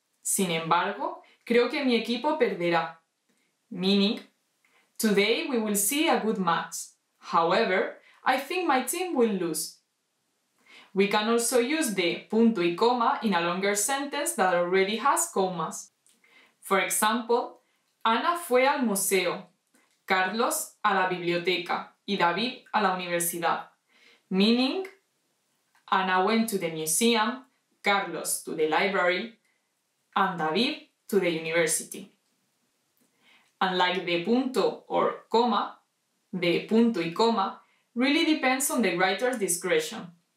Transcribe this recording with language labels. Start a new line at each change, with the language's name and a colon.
Spanish: Sin embargo, creo que mi equipo perderá.
English: Meaning, today we will see a good match. However, I think my team will lose. We can also use the punto y coma in a longer sentence that already has commas.
Spanish: For example, Ana fue al museo, Carlos a la biblioteca y David a la universidad.
English: Meaning, Ana went to the museum, Carlos to the library, and David to the university. Unlike the punto or coma, the punto y coma really depends on the writer's discretion.